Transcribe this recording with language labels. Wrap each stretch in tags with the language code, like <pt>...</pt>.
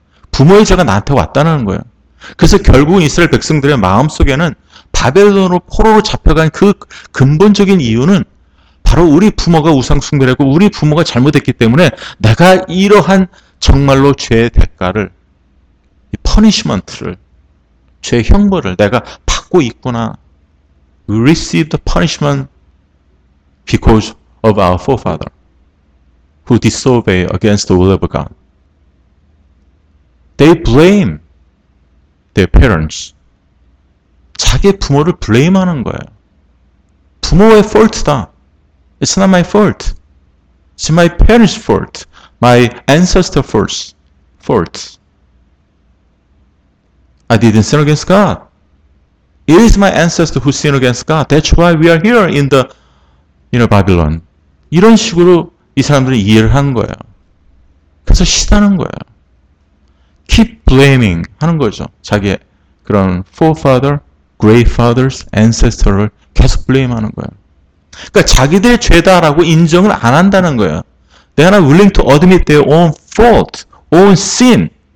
<ko>부모의 죄가 나한테 왔다는 거야. 그래서 결국은 이스라엘 백성들의 마음속에는 바벨론으로 포로로 잡혀간 그 근본적인 이유는 바로 우리 부모가 우상숭배했고 우리 부모가 잘못했기 때문에 내가 이러한 정말로 죄의 대가를, 이 퍼니시먼트를, 죄의 형벌을 내가 받고 있구나.</ko> <en>We receive the punishment because of our forefather who disobey against the will of God. They blame their parents.</en> <ko>자기 부모를 블레임하는 거야. 부모의</ko> <en>fault다. It's not my fault. It's my parents' fault. My ancestor first, fault. I didn't sin against God. It is my ancestor who sinned against God. That's why we are here in the, Babylon.</en> <ko>이런 식으로 이 사람들이 이해를 한 거야. 그래서 시다는 거야.</ko> <en>Keep blaming</en> <ko>하는 거죠. 자기의 그런 forefather, greatfathers, ancestor를 계속 blame하는 거야. 그러니까 자기들의 죄다라고 인정을 안 한다는 거야.</ko> <en>They are not willing to admit their own fault, own sin.</en>